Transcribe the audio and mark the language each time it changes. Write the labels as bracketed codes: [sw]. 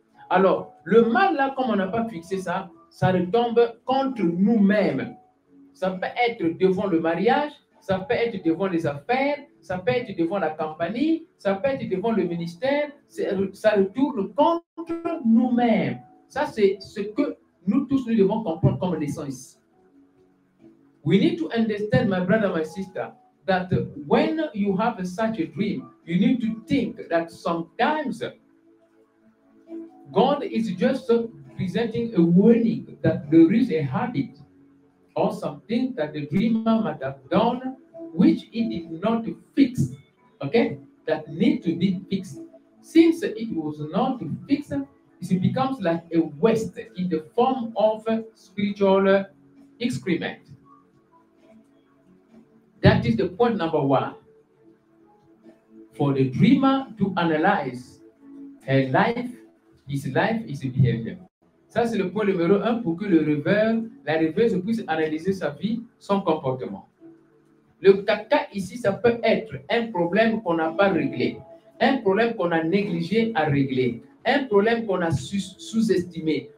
[fr] Alors, le mal là, comme on n'a pas fixé ça, ça retombe contre nous-mêmes. Ça peut être devant le mariage, ça peut être devant les affaires, ça peut être devant la compagnie, ça peut être devant le ministère, ça retourne contre nous-mêmes. Ça, c'est ce que nous tous, nous devons comprendre comme l'essence. [en] We need to understand, my brother, my sister, that when you have such a dream, you need to think that sometimes God is just presenting a warning that there is a habit or something that the dreamer might have done, which he did not fix, okay? That need to be fixed. Since it was not fixed, it becomes like a waste in the form of spiritual excrement. That is the point number one. For the dreamer to analyze her life, his behavior. [fr] Ça, c'est le point numéro un pour que le rêveur, la rêveuse puisse analyser sa vie, son comportement. Le caca ici, ça peut être un problème qu'on n'a pas réglé, un problème qu'on a négligé à régler, un problème qu'on a sous-estimé.